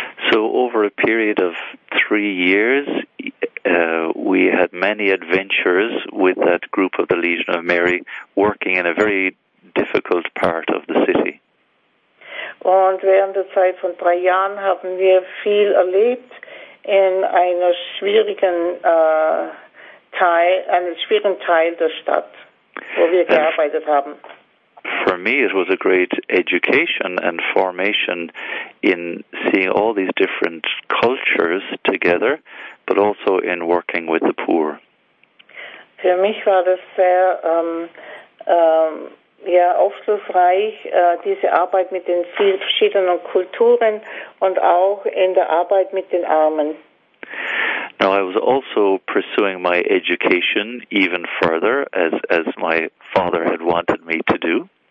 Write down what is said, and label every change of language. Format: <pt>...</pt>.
<en>So over a period of 3 years, we had many adventures with that group of the Legion of Mary working in a very difficult part of the city.</en> <de>Und während der Zeit von 3 Jahren haben wir viel erlebt in einer schwierigen Teil der Stadt, wo wir gearbeitet haben.</de> <en>For me it was a great education and formation in seeing all these different cultures together, but also in working with the poor.</en> <de>Für mich war das sehr aufschlussreich, diese Arbeit mit den vielen verschiedenen Kulturen und auch in der Arbeit mit den Armen.</de> <en>Now, I was also pursuing my education even further, as my father had wanted me to do.</en>